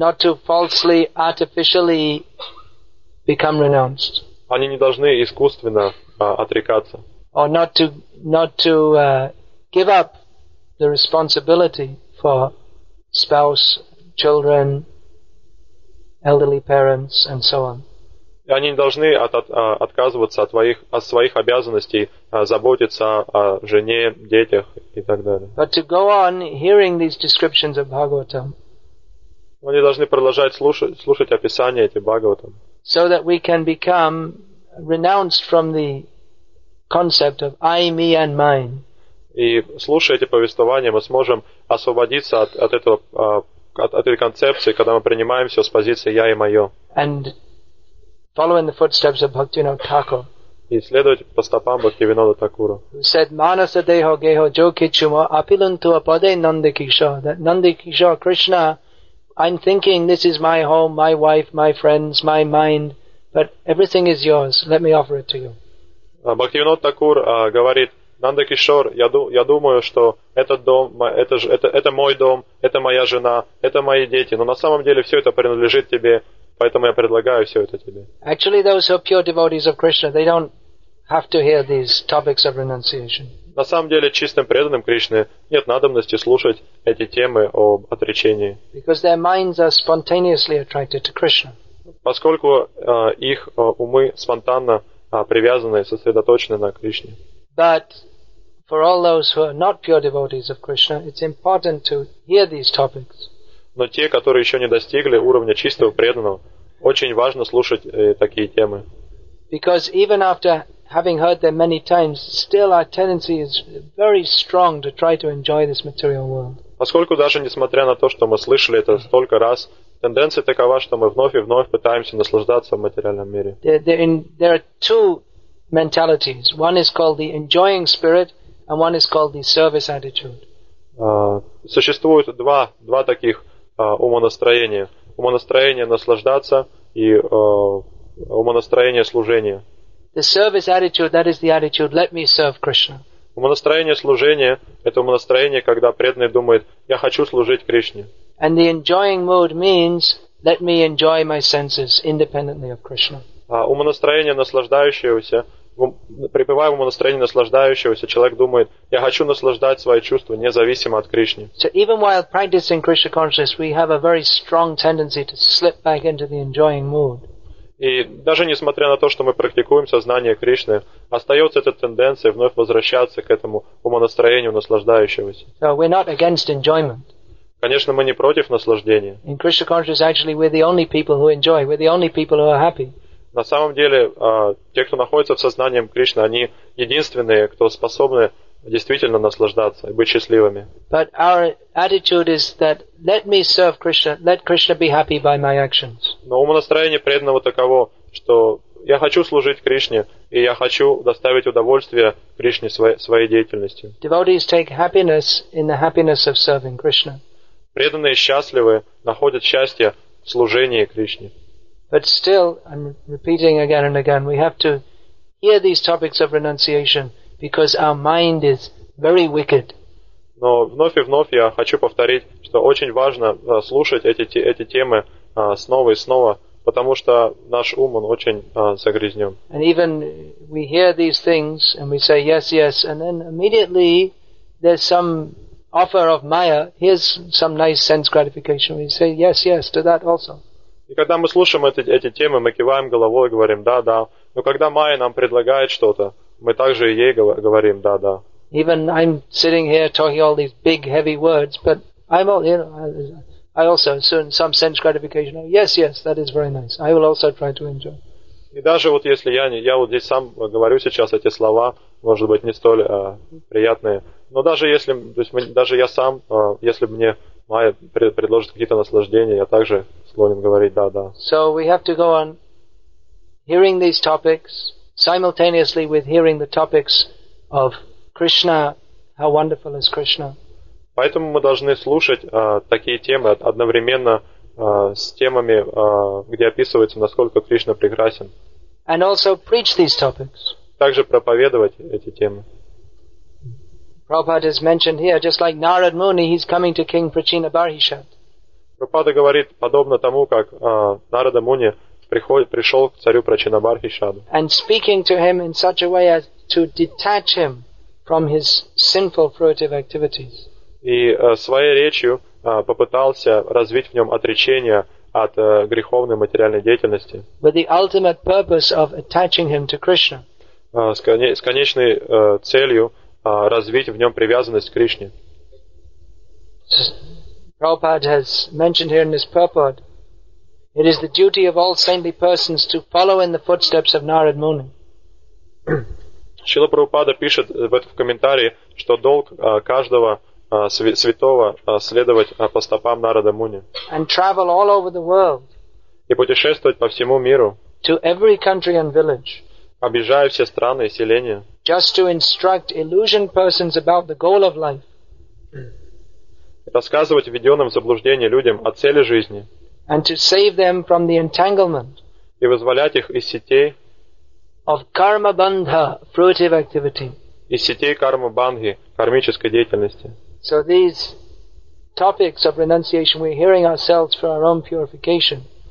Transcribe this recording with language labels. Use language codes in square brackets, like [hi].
[en] Not to falsely, artificially become renounced. [ru] Они не должны искусственно отрекаться. [en] Or not to give up the responsibility for spouse, children, elderly parents, and so on. [ru] И они не должны отказываться от своих обязанностей заботиться о жене, детях и так далее. [en] But to go on hearing these descriptions of Bhagavatam. [ru] Они должны продолжать слушать описания эти Бхагаватам. [en] So that we can become renounced from the concept of I, me, and mine. [ru] И слушая эти повествования, мы сможем освободиться от этой концепции, когда мы принимаем все с позиции я и мое. [en] And following the footsteps of Bhaktivinoda Thakur. [ru] И следовать по стопам Бхактивинода Такура. [en] Who said, [bn] "Manasa deho geho jo kichumo apilantu apade Nandikisho." [en] That Nandikisho Krishna, I'm thinking this is my home, my wife, my friends, my mind, but everything is yours. Let me offer it to you. [ru] Бхактивинода Такур говорит: Нанда Кишор, я думаю, что этот дом, это мой дом, это моя жена, это мои дети, но на самом деле все это принадлежит тебе, поэтому я предлагаю все это тебе. [en] Actually, those who are pure devotees of Krishna, they don't have to hear these topics of renunciation. [ru] На самом деле, чистым преданным Кришне нет надобности слушать эти темы об отречении. [en] Because their minds are spontaneously attracted to Krishna. [ru] Поскольку их умы спонтанно привязаны, сосредоточены на Кришне. [en] But for all those who are not pure devotees of Krishna, it's important to hear these topics. [ru] Но те, которые еще не достигли уровня чистого преданного, очень важно слушать такие темы. [en] Because even after having heard them many times, still our tendency is very strong to try to enjoy this material world. [ru] Поскольку даже несмотря на то, что мы слышали это столько раз, тенденция такова, что мы вновь и вновь пытаемся наслаждаться в материальном мире. [en] There are two mentalities. One is called the enjoying spirit, and one is called the service attitude. [ru] Существует два таких умонастроения. Умонастроение наслаждаться и умонастроение служения. [en] The service attitude, that is the attitude, let me serve Krishna. [ru] Умонастроение служения – это умонастроение, когда преданный думает: «Я хочу служить Кришне». [en] And the enjoying mood means, let me enjoy my senses independently of Krishna. [ru] А умонастроение наслаждающегося, пребывая в умонастроении наслаждающегося, человек думает: «Я хочу наслаждать свои чувства независимо от Кришны». [en] So even while practicing Krishna consciousness, we have a very strong tendency to slip back into the enjoying mood. [ru] И даже несмотря на то, что мы практикуем сознание Кришны, остается эта тенденция вновь возвращаться к этому умонастроению наслаждающегося. [en] So we're not against enjoyment. [ru] Конечно, мы не против наслаждения. [en] In Krishna consciousness, actually, we're the only people who enjoy. We're the only people who are happy. [ru] На самом деле, те, кто находится в сознании Кришны, они единственные, кто способны действительно наслаждаться и быть счастливыми. [en] But our attitude is that let me serve Krishna, let Krishna be happy by my actions. [ru] Но умонастроение преданного таково, что я хочу служить Кришне, и я хочу доставить удовольствие Кришне своей деятельностью. [en] Devotees take happiness in the happiness of serving Krishna. [ru] Преданные счастливы находят счастье в служении Кришне. [en] But still, I'm repeating again and again, we have to hear these topics of renunciation because our mind is very wicked. [ru] Но вновь и вновь я хочу повторить, что очень важно слушать эти темы снова и снова, потому что наш ум, он очень загрязнен. [en] And even we hear these things and we say yes, yes, and then immediately there's some offer of Maya, here's some nice sense gratification, we say yes, yes to that also. [ru] И когда мы слушаем эти темы, мы киваем головой и говорим «да, да». Но когда Майя нам предлагает что-то, мы также ей говорим «да, да». [en] Even I'm sitting here talking all these big, heavy words, but I'm all, you know, I also, in some sense gratification, yes, yes, that is very nice. I will also try to enjoy. [ru] И даже вот если я вот здесь сам говорю сейчас эти слова, может быть, не столь приятные, но даже если, то есть даже я сам, если мне Майя предложит какие-то наслаждения, я также склонен говорить «да, да». [en] So we have to go on hearing these topics simultaneously with hearing the topics of Krishna, how wonderful is Krishna. [ru] Поэтому мы должны слушать такие темы одновременно с темами, где описывается, насколько Кришна прекрасен. [en] And also preach these topics. [ru] Также проповедовать эти темы. [en] Prabhupada has mentioned here, just like Narad Muni, he's coming to King Prachina Barhishat. [ru] Prabhupada говорит, подобно тому, как Нарада Муни пришел к царю Прачина Бархишаду. [en] And speaking to him in such a way as to detach him from his sinful fruitive activities. [ru] И своей речью попытался развить в нем отречение от греховной материальной деятельности. [en] With the ultimate purpose of attaching him to Krishna. [ru] С конечной целью развить в нем привязанность к Кришне. [en] Prabhupada has mentioned here in this purport, it is the duty of all saintly persons to follow in the footsteps of Narad Muni. [ru] Шрила Прабхупада пишет в комментарии, что долг каждого святого следовать по стопам Нарада Муни. [en] And travel all over the world. [ru] И путешествовать по всему миру. [en] To every country and village. [ru] Объезжая все страны и селения. [en] Just to instruct illusioned persons about the goal of life. [ru] Рассказывать введенным в заблуждение людям о цели жизни. [en] And to save them from the entanglement. [ru] И вызволять их из сетей. [en] Of karma-bandha, fruitive activity. [ru] Из сетей карма-бандхи, кармической деятельности. [en] So these topics of renunciation we're hearing ourselves for our own purification.